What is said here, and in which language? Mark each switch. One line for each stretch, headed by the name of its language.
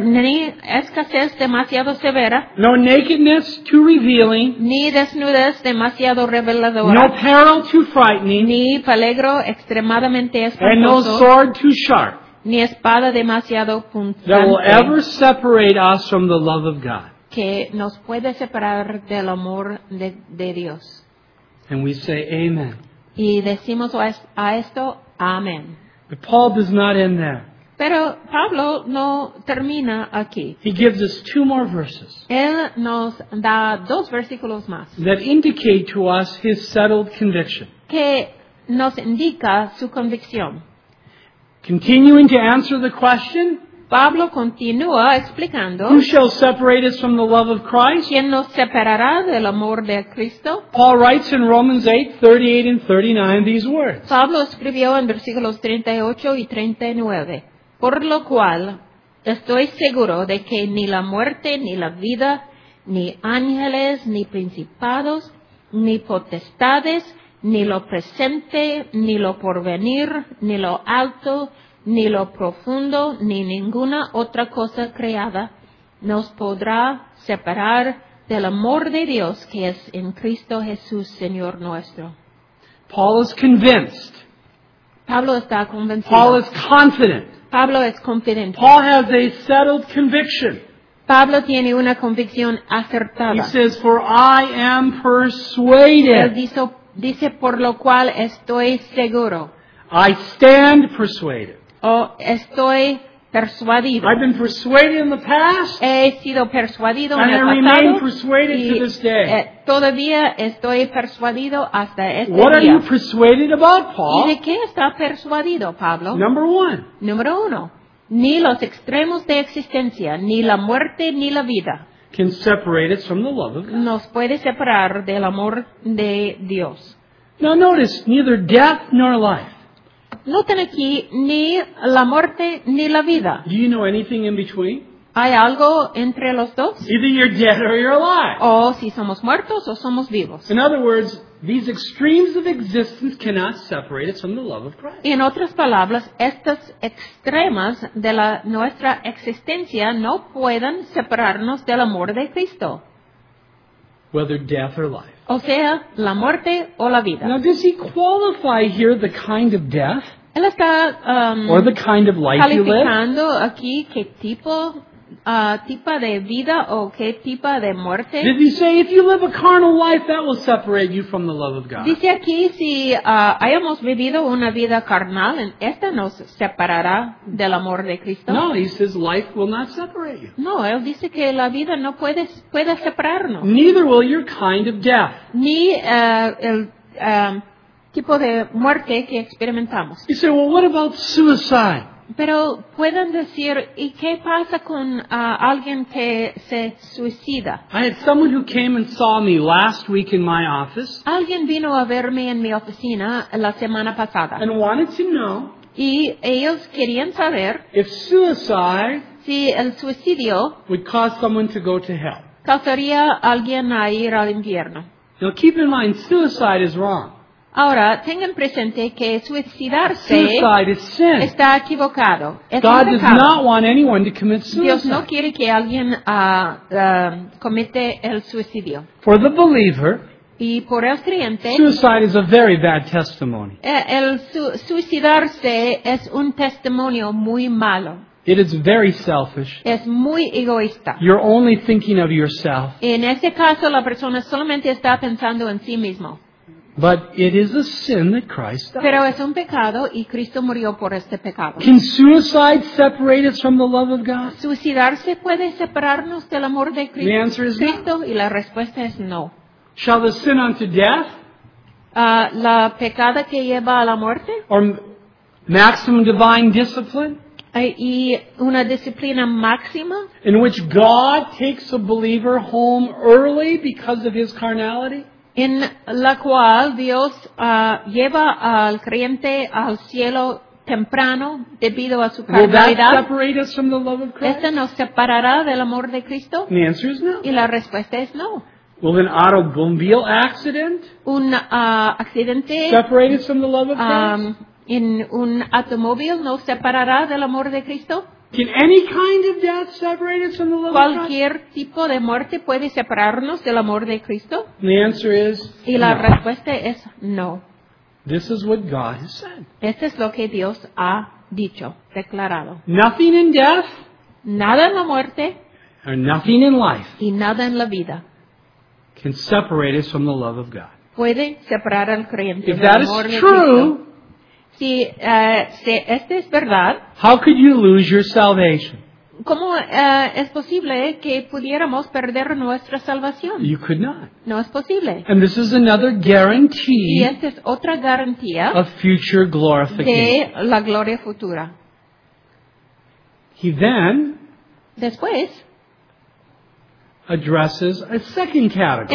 Spanish: Ni escasez demasiado severa.
English: No nakedness too revealing.
Spanish: Ni desnudez demasiado reveladora.
English: No peril too frightening.
Spanish: Ni peligro extremadamente espantoso.
English: And no sword too sharp.
Spanish: Ni espada demasiado puntiente.
English: That will ever separate us from the love of God.
Spanish: Que nos puede separar del amor de Dios.
English: And we say amen.
Spanish: Y decimos a esto, amén.
English: But Paul does not end there.
Spanish: Pero Pablo no termina aquí.
English: He gives us two more verses.
Spanish: Él nos da dos versículos más.
English: That indicate to us his settled conviction.
Spanish: Que nos indica su convicción.
English: Continuing to answer the question,
Spanish: Pablo continúa explicando,
English: who shall separate us from the love of Christ?
Spanish: ¿Quién nos separará del amor de Cristo?
English: Paul writes in Romans 8, 38 and 39 these words.
Spanish: Pablo escribió en versículos 38 y 39, por lo cual estoy seguro de que ni la muerte, ni la vida, ni ángeles, ni principados, ni potestades, ni lo presente, ni lo porvenir, ni lo alto, ni lo profundo, ni ninguna otra cosa creada nos podrá separar del amor de Dios que es en Cristo Jesús, Señor nuestro.
English: Paul is convinced.
Spanish: Pablo está convencido.
English: Paul is confident.
Spanish: Pablo es confidente.
English: Paul has a settled conviction.
Spanish: Pablo tiene una convicción acertada.
English: He says, for I am persuaded.
Spanish: Él dice, por lo cual estoy seguro.
English: I stand persuaded.
Spanish: Estoy persuadido.
English: I've been persuaded in the past.
Spanish: He sido persuadido en el pasado.
English: And I remain persuaded to this day.
Spanish: Todavía estoy persuadido hasta este día.
English: What are you persuaded about, Paul?
Spanish: ¿Y de qué está persuadido, Pablo?
English: Number one.
Spanish: Número uno. Ni los extremos de existencia, ni la muerte, ni la vida.
English: Can separate us from the love of God.
Spanish: Nos puede separar del amor de Dios.
English: Now notice, neither death nor life.
Spanish: Noten aquí, ni la muerte ni la vida.
English: Do you know anything in between?
Spanish: ¿Hay algo entre los dos?
English: Either you're dead or you're alive.
Spanish: O si somos muertos o somos vivos.
English: In other words, these extremes of existence cannot separate us from the love of Christ.
Spanish: En otras palabras, estas extremas de la nuestra existencia no pueden separarnos del amor de Cristo.
English: Whether death or life.
Spanish: O sea, la muerte o la vida.
English: Now, does he qualify here the kind of death?
Spanish: Él está
English: or the kind of life
Spanish: calificando
English: you live?
Spanish: Aquí qué tipo tipo de vida o qué tipo de muerte.
English: Did he say if you live a carnal life that will separate you from the love of God?
Spanish: Dice aquí si hayamos vivido una vida carnal, esta nos separará del amor de Cristo.
English: No, he says life will not separate you.
Spanish: No, él dice que la vida no puede separarnos.
English: Neither will your kind of death.
Spanish: Ni el tipo de muerte que experimentamos.
English: You say, well, what about suicide?
Spanish: Pero pueden decir, ¿y qué pasa con alguien que se suicida?
English: I had someone who came and saw me last week in my office.
Spanish: Alguien vino a verme en mi oficina la semana pasada.
English: And wanted to know.
Spanish: Y ellos querían saber.
English: If suicide.
Spanish: Si el suicidio.
English: Would cause someone to go to hell.
Spanish: Causaría alguien a ir al infierno.
English: Now keep in mind, suicide is wrong.
Spanish: Ahora, tengan presente que suicidarse
English: suicide is sin.
Spanish: Está equivocado. Es
English: God does not want anyone to commit suicide.
Spanish: Dios no quiere que alguien comete el suicidio.
English: For the believer,
Spanish: y por el creyente,
English: suicide is a very bad testimony.
Spanish: El suicidarse es un testimonio muy malo.
English: It is very selfish.
Spanish: Es muy egoísta.
English: You're only thinking of yourself.
Spanish: En ese caso, la persona solamente está pensando en sí mismo.
English: But it is a sin that Christ died.
Spanish: Pero es un pecado y Cristo murió por este pecado.
English: Can suicide separate us from the love of God?
Spanish: ¿Suicidarse puede separarnos del amor de Cristo?
English: The answer is
Spanish: Cristo,
English: no.
Spanish: Y la respuesta es no.
English: Shall the sin unto death?
Spanish: La pecada que lleva a la muerte?
English: Or maximum divine discipline?
Spanish: Y una disciplina máxima?
English: In which God takes a believer home early because of his carnality?
Spanish: En la cual Dios lleva al creyente al cielo temprano debido a su carnalidad. ¿Esto nos separará del amor de Cristo?
English: The answer is no.
Spanish: Y la respuesta es no.
English: Will an automobile accident?
Spanish: Un accidente.
English: Separate us from the love of Christ?
Spanish: En un automóvil nos separará del amor de Cristo.
English: Can any kind of death separate us from the love of God?
Spanish: ¿Cualquier tipo de muerte puede separarnos del amor de Cristo?
English: The answer is
Spanish: no. Y la respuesta es no.
English: This is what God has said.
Spanish: Esto es lo que Dios ha dicho, declarado.
English: Nothing in death.
Spanish: Nada en la muerte.
English: Or nothing in life.
Spanish: Y nada en la vida.
English: Can separate us from the love of God.
Spanish: Puede separar al creyente del amor de Cristo.
English: If that is true.
Spanish: Si, si este es verdad,
English: how could you lose your salvation?
Spanish: ¿Cómo es posible que pudiéramos perder nuestra salvación?
English: You could not.
Spanish: No es posible.
English: And this is another guarantee.
Spanish: Y esta es otra garantía
English: of future glorification.
Spanish: De la gloria futura.
English: He then
Spanish: después
English: addresses a second category.